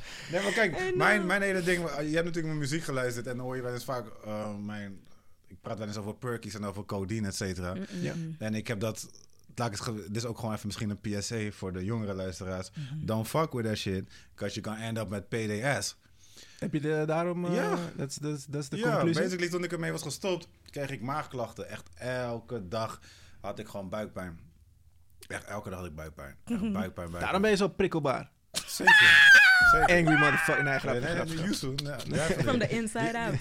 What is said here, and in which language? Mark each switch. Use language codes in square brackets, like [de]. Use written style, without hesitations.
[nl] Nee, maar kijk, mijn hele ding... Je hebt natuurlijk mijn muziek geluisterd en dan hoor je wel eens vaak mijn... Ik praat wel eens over perkies en over codeine, et cetera. [en] Yeah. [nl] En ik heb dat... Dit is ook gewoon even misschien een PSA voor de jongere luisteraars. Mm-hmm. [en] Don't fuck with that shit, because you can end up with PDS. [nl] Heb je daarom... Ja. [en] That's the conclusion. [nl] Ja, basically toen ik ermee was gestopt, kreeg ik maagklachten. Echt elke dag had ik gewoon buikpijn. Echt elke dag had ik buikpijn. Buikpijn. Daarom ben je zo prikkelbaar. Zeker. [en] Angry motherfucking [nl] eigen grapje. [en] From the inside out.